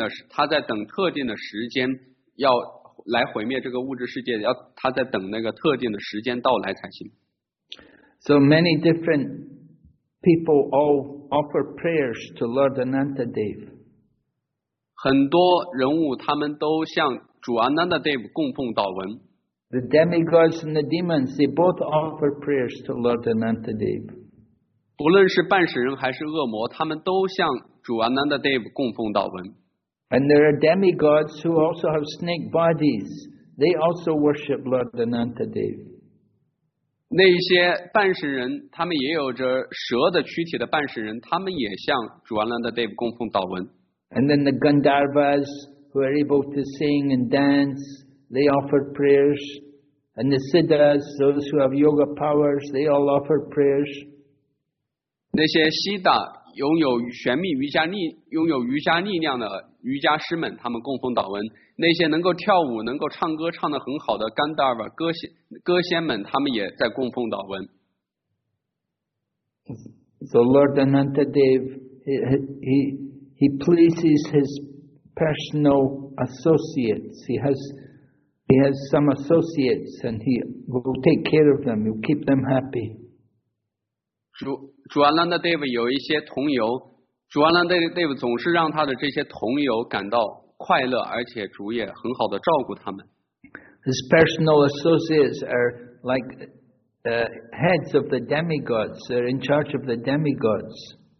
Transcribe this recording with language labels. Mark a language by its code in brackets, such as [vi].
[zh] 他在等特定的时间要来毁灭这个物质世界，他在等那个特定的时间到来才行。 [en] So many different people all offer prayers to Lord Anantadeva. [zh] 很多人物他们都向主 Anantadeva 供奉祷文。 [en] The demigods and the demons, they both offer prayers to Lord Anantadeva. [zh] 不论是半使人还是恶魔，他们都向主阿南达德夫供奉祷文。 [en] And there are demigods who also have snake bodies. They also worship Lord Anantadeva. [zh] 那些半神人，他们也有着蛇的躯体的半神人，他们也向主阿南达德夫供奉祷文。 [en] And then the Gandharvas who are able to sing and dance, they offer prayers. And the Siddhas, those who have yoga powers, they all offer prayers. [zh] 那些悉达拥有玄秘瑜伽力，拥有瑜伽力量的瑜伽师们，他们供奉祷文。那些能够跳舞、能够唱歌、唱得很好的甘达尔瓦歌仙们，他们也在供奉祷文。 [en] So Lord Anantadeva, he pleases his personal associates. He has some associates, and he will take care of them. He'll keep them happy. [zh] 主阿兰德戴夫有一些同游，主阿兰德戴夫总是让他的这些同游感到快乐，而且主也很好的照顾他们。 [en] His personal associates are like heads of the demigods, they're in charge of the demigods.